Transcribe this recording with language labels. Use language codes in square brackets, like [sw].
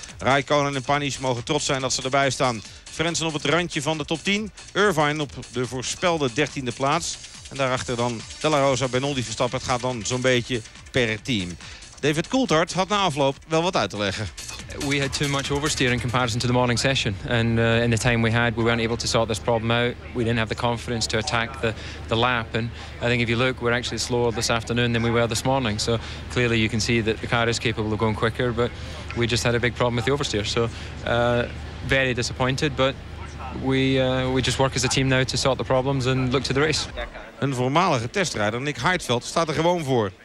[nl] Raikkonen en Panis mogen trots zijn dat ze erbij staan. Frentzen op het randje van de top 10. Irvine op de voorspelde 13e plaats. En daarachter dan Della Rosa, Benoldi, Verstappen. Het gaat dan zo'n beetje per team. David Coulthard had na afloop wel wat uit te leggen. [en] We had too much oversteer in comparison to the morning session. And in the time we had, we weren't able to sort this problem out. We didn't have the confidence to attack the lap. And I think if you look, we're actually slower this afternoon than we were this morning. So clearly you can see that the car is capable of going quicker. But we just had a big problem with the oversteer. So very disappointed. But we just work as a team now to sort the problems and look to the race. [nl] Een voormalige testrijder, Nick Heidfeld, staat er gewoon voor.